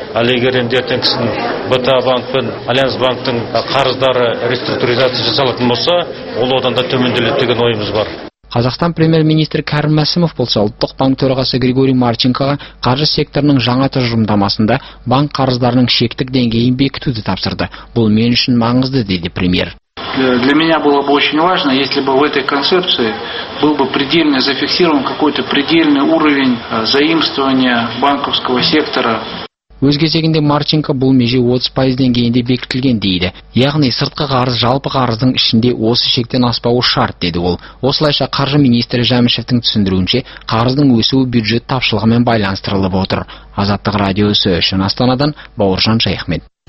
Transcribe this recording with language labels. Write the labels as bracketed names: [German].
[Kazakh] Ал егер енді ертеңгісін БТА банк пен Альянс банктің қарыздары реструктуризация жасалатын болса, ол одан да төменделеді деген ойымыз бар. Қазақстан премьер-министр Кәрім Мәсімов болса, Ұлттық банк төрағасы Григорий Марченкоға қаржы секторының жаңа тұжырымдамасында банк қарыздарының шектік деңгейін бекітуді тапсырды. Бұл мен үшін маңызды, деді премьер. [Russian] Для меня было бы очень важно, если бы в этой концепции был бы предельно зафиксирован какой-то предельный уровень заимствования банковского сектора. [Kazakh] Өз кезегінде Марченко бұл меже 30% деңгейінде бекітілген дейді. Яғни сыртқы қарыз жалпы қарыздың ішінде осы шектен аспауы шарт, деді ол. Осылайша қаржы министрі Жәмішевтің түсіндіруінше қарыздың өсуі бюджет тапшылығымен байланыстырылып отыр. Азаттық радиосы үшін Астанадан Бауыржан Шайхмет.